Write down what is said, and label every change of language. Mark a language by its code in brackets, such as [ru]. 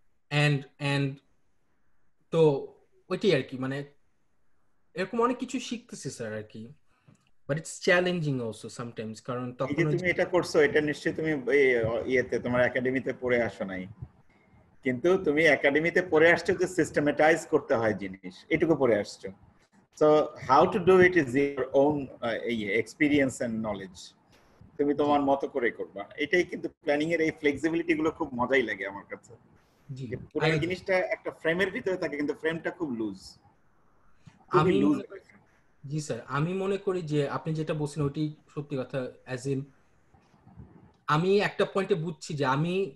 [bn] And and তো ওইটাই আর কি, মানে এরকম অনেক কিছু শিখতেছি স্যার আর কি, [en] but it's challenging also sometimes, [bn] কারণ তখন তুমি এটা করছো এটা নিশ্চয়ই তুমি ইয়েতে তোমার একাডেমিতে পড়ে আসো নাই, কিন্তু তুমি একাডেমিতে পড়ে আসছো যে সিস্টেমেটাইজ করতে হয় জিনিস, এটুকু পড়ে আসছো। [en] So how to do it is your own experience and knowledge. [bn] তুমি তোমার মতো করে করবে এটাই, কিন্তু প্ল্যানিং এর এই ফ্লেক্সিবিলিটি গুলো খুব মজাই লাগে আমার কাছে। জি পুরো জিনিসটা একটা ফ্রেমের ভিতরে থাকে কিন্তু ফ্রেমটা খুব লুজ। আমি জি স্যার আমি মনে করি যে আপনি যেটা বলছেন ওটি সত্যি কথা, অ্যাজ ইন আমি একটা পয়েন্টে বুঝছি যে আমি